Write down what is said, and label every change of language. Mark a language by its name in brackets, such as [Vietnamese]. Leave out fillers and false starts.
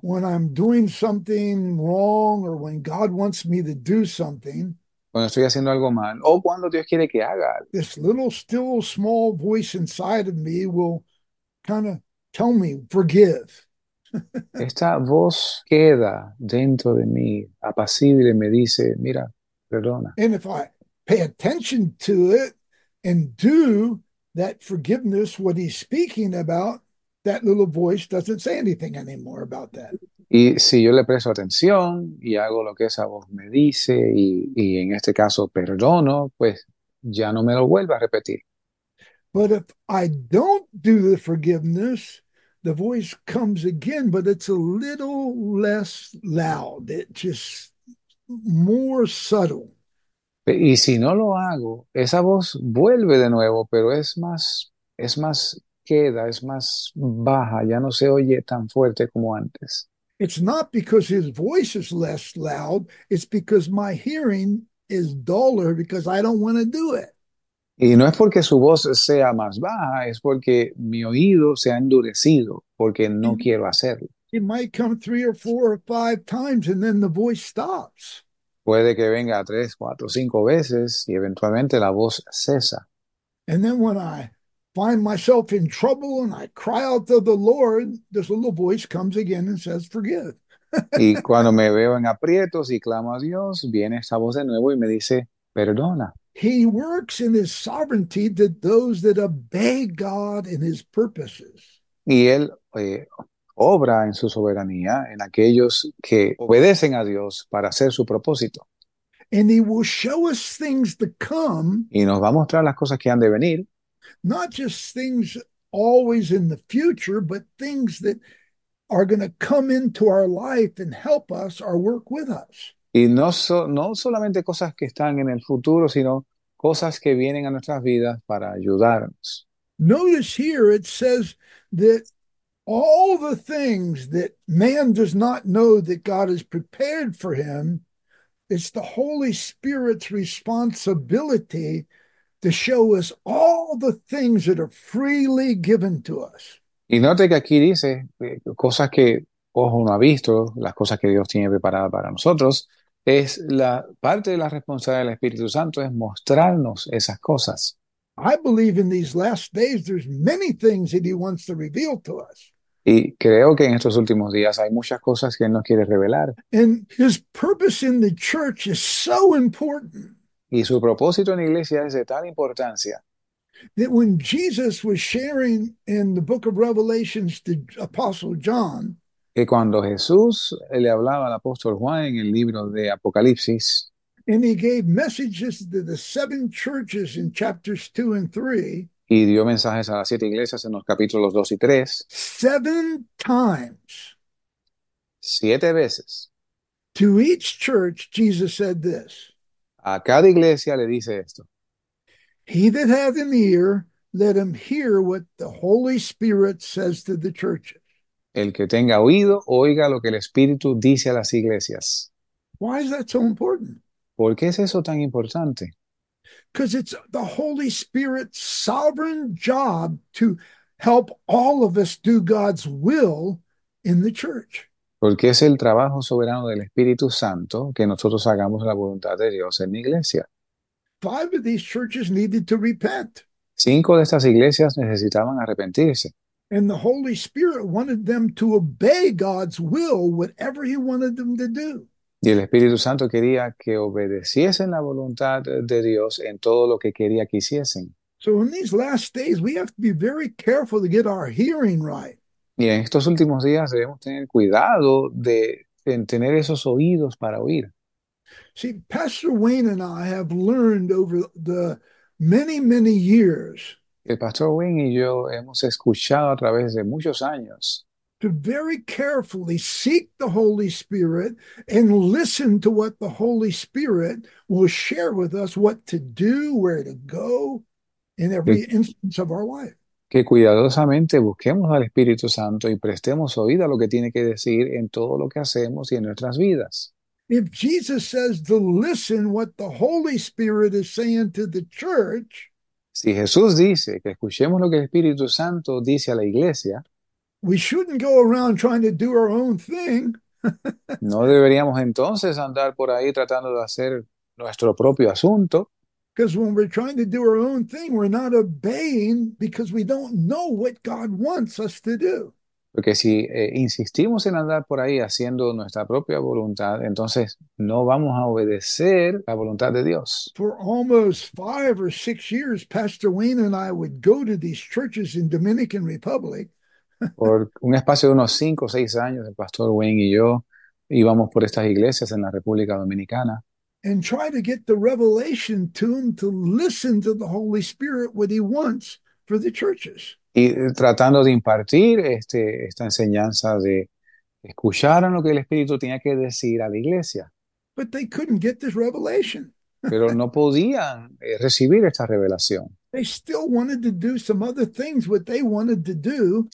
[English] when I'm doing something wrong or when God wants me to do something, [Spanish] cuando estoy haciendo algo mal, o cuando Dios quiere que haga algo. [English] this little, still, small voice inside of me will kind of tell me, forgive. [Spanish] Esta voz queda dentro de mí, apacible, me dice, mira, perdona. [English] And if I pay attention to it and do that forgiveness, what he's speaking about, that little voice doesn't say anything anymore about that. [Spanish] Y si yo le presto atención y hago lo que esa voz me dice y en este caso perdono, pues ya no me lo vuelva a repetir. [English] But if I don't do the forgiveness, the voice comes again, but it's a little less loud. It's just more subtle. [Spanish] Y si no lo hago, esa voz vuelve de nuevo, pero es más queda, es más baja, ya no se oye tan fuerte como antes. [English] It's not because his voice is less loud. It's because my hearing is duller because I don't want to do it. [Spanish] Y no es porque su voz sea más baja, es porque mi oído se ha endurecido, porque no quiero hacerlo. [English] It might come three or four or five times and then the voice stops. [Spanish] Puede que venga 3, 4, 5 veces y eventualmente la voz cesa. [English] And then when I find myself in trouble and I cry out to the Lord, this little voice comes again and says, forgive. [Spanish] Y cuando me veo en aprietos y clamo a Dios, viene esta voz de nuevo y me dice, perdona. [English] He works in his sovereignty to those that obey God and his purposes. [Spanish] Y él obra en su soberanía en aquellos que obedecen a Dios para hacer su propósito. [English] And he will show us things to come. [Spanish] Y nos va a mostrar las cosas que han de venir. [English] Not just things always in the future, but things that are going to come into our life and help us or work with us. [Spanish] Y no solamente cosas que están en el futuro, sino cosas que vienen a nuestras vidas para ayudarnos. [English] Notice here it says that all the things that man does not know that God has prepared for him, it's the Holy Spirit's responsibility to show us all the things that are freely given to us. [Spanish] Y note que aquí dice cosas que ojo no ha visto, las cosas que Dios tiene preparadas para nosotros, es la parte de la responsabilidad del Espíritu Santo es mostrarnos esas cosas. [English] I believe in these last days there's many things that he wants to reveal to us. [Spanish] Y creo que en estos últimos días hay muchas cosas que Él nos quiere revelar. [English] And his purpose in the church is so important. [Spanish] Y su propósito en la iglesia es de tal importancia. [English] That when Jesus was sharing in the book of Revelations to Apostle John, [Spanish] Que cuando Jesús le hablaba al apóstol Juan en el libro de Apocalipsis, [English] and he gave messages to the seven churches in chapters 2 and 3, [Spanish] y dio mensajes a las 7 iglesias en los capítulos 2 y 3, [English] seven times. [Spanish] 7 veces, [English] To each church, Jesus said this. [Spanish] a cada iglesia le dice esto. [English] He that hath an ear, let him hear what the Holy Spirit says to the churches. [Spanish] El que tenga oído, oiga lo que el Espíritu dice a las iglesias. [English] Why is that so important? [Spanish] ¿Por qué es eso tan importante? [English] Because it's the Holy Spirit's sovereign job to help all of us do God's will in the church. [Spanish] Porque es el trabajo soberano del Espíritu Santo que nosotros hagamos la voluntad de Dios en la iglesia. [English] Five of these churches needed to repent. [Spanish] Cinco de estas iglesias necesitaban arrepentirse. [English] And the Holy Spirit wanted them to obey God's will, whatever he wanted them to do. [Spanish] Y el Espíritu Santo quería que obedeciesen la voluntad de Dios en todo lo que quería que hiciesen. [English] So in these last days, we have to be very careful to get our hearing right. [Spanish] Y en estos últimos días debemos tener cuidado de tener esos oídos para oír. [English] See, Pastor Wayne and I have learned over the many, many years [Spanish] El pastor Wayne y yo hemos escuchado a través de muchos años. [English] to very carefully seek the Holy Spirit and listen to what the Holy Spirit will share with us, what to do, where to go in every instance of our life. [Spanish] Que cuidadosamente busquemos al Espíritu Santo y prestemos oído a lo que tiene que decir en todo lo que hacemos y en nuestras vidas. [English] If Jesus says to listen what the Holy Spirit is saying to the church, [Spanish] Si Jesús dice que escuchemos lo que el Espíritu Santo dice a la iglesia, [English] we shouldn't go around trying to do our own thing. [Spanish] no deberíamos entonces andar por ahí tratando de hacer nuestro propio asunto. [English] Because when we're trying to do our own thing, we're not obeying because we don't know what God wants us to do. [Spanish] Porque si insistimos en andar por ahí haciendo nuestra propia voluntad, entonces no vamos a obedecer la voluntad de Dios. [English] For almost 5 or 6 years, Pastor Wayne and I would go to these churches in Dominican Republic. [Spanish] Por un espacio de unos 5 o 6 años, el pastor Wayne y yo íbamos por estas iglesias en la República Dominicana. [English] And try to get the revelation to him to listen to the Holy Spirit, what he wants for the churches. [Spanish] Y tratando de impartir esta enseñanza de escuchar lo que el Espíritu tenía que decir a la iglesia. [English] But they couldn't get this revelation. [Spanish] Pero no podían recibir esta revelación. [English] They still wanted to do some other things, what they wanted to do.